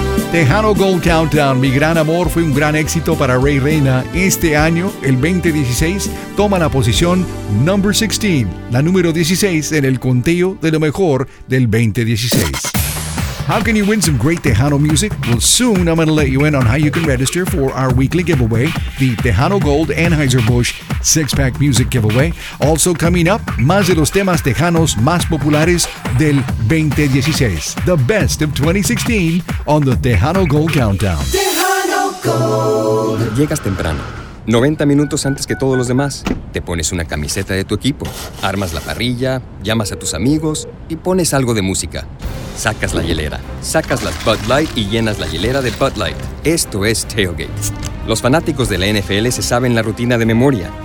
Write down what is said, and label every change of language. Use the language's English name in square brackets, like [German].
[Spanish] Tejano Gold Countdown, Mi Gran Amor, fue un gran éxito para Rey Reyna. Este año, el 2016, toma la posición [English] number 16, [Spanish] la número 16 en el conteo de lo mejor del 2016. [English] How can you win some great Tejano music? Well, soon I'm going to let you in on how you can register for our weekly giveaway, the Tejano Gold Anheuser-Busch 6-Pack Music Giveaway. Also coming up, [Spanish] más de los temas tejanos más populares del 2016. [English] The best of 2016 on the Tejano Gold Countdown. Tejano Gold. [Spanish] Llegas temprano, 90 minutos antes que todos los demás. Te pones una camiseta de tu equipo, armas la parrilla, llamas a tus amigos y pones algo de música. Sacas la hielera, sacas las Bud Light y llenas la hielera de Bud Light. Esto es tailgate. Los fanáticos de la NFL se saben la rutina de memoria.